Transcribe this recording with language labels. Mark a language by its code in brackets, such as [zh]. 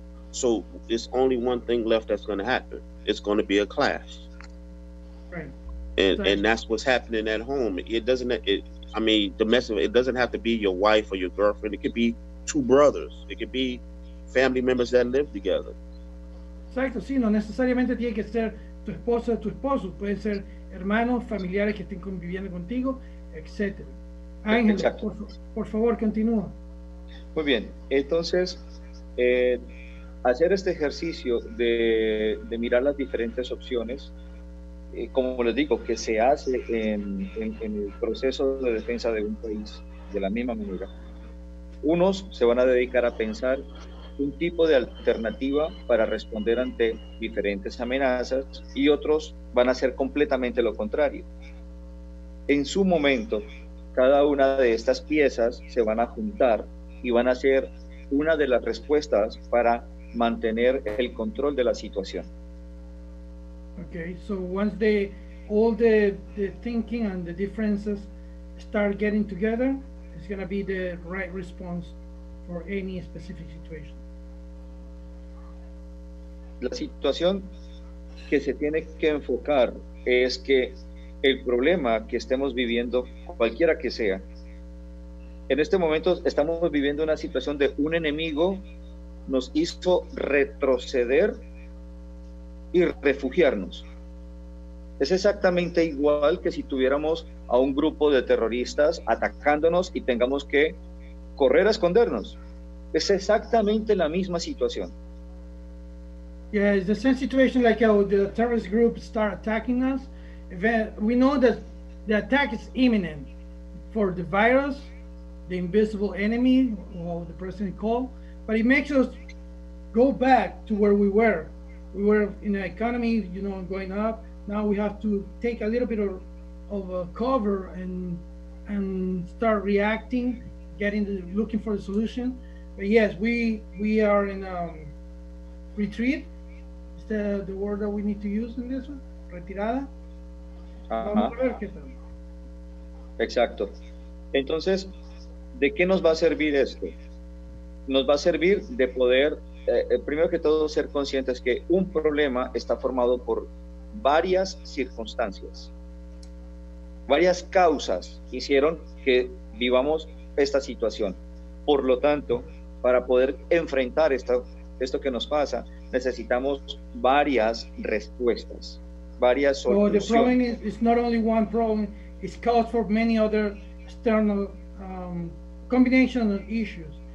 [en] So it's only one thing left that's going to happen. It's going to be a clash. Right. And that's what's happening at home. It doesn't have to be your wife or your girlfriend. It could be two brothers. It could be family members that live together. [es] Exacto, sí, no necesariamente tiene que ser tu esposa o tu esposo. Pueden ser hermanos, familiares que estén conviviendo contigo, etc. Ángel, por favor, continúa. Muy bien, entonces, hacer este ejercicio de mirar las diferentes opciones, como les digo, que se hace en el proceso de defensa de un país de la misma manera. Unos se van a dedicar a pensar un tipo de alternativa para responder ante diferentes amenazas y otros van a hacer completamente lo contrario. En su momento, cada una de estas piezas se van a juntar y van a ser una de las respuestas para mantener el control de la situación. [en] Okay, so once all the thinking and the differences start getting together, it's going to be the right response for any specific situation. [es] La situación que se tiene que enfocar es que el problema que estemos viviendo, cualquiera que sea, en este momento estamos viviendo una situación de un enemigo nos hizo retroceder y refugiarnos. Es exactamente igual que si tuviéramos a un grupo de terroristas atacándonos y tengamos que correr a escondernos. Es exactamente la misma situación. [en] Yeah, it's the same situation like the terrorist group start attacking us. We know that the attack is imminent for the virus, the invisible enemy, or the president called, but it makes us go back to where we were. We were in an economy, you know, going up. Now we have to take a little bit of a cover and start reacting, looking for the solution. But yes, we are in a retreat. Is that the word that we need to use in this one? [es] Retirada. Uh-huh. Vamos a ver qué tal. Exacto. Entonces, ¿de qué nos va a servir esto? Nos va a servir de poder primero que todo, ser conscientes que un problema está formado por varias circunstancias. Varias causas hicieron que vivamos esta situación. Por lo tanto, para poder enfrentar esto que nos pasa, necesitamos varias respuestas, varias soluciones. [en] So the problem is not only one problem, it's caused for many other external combination of issues.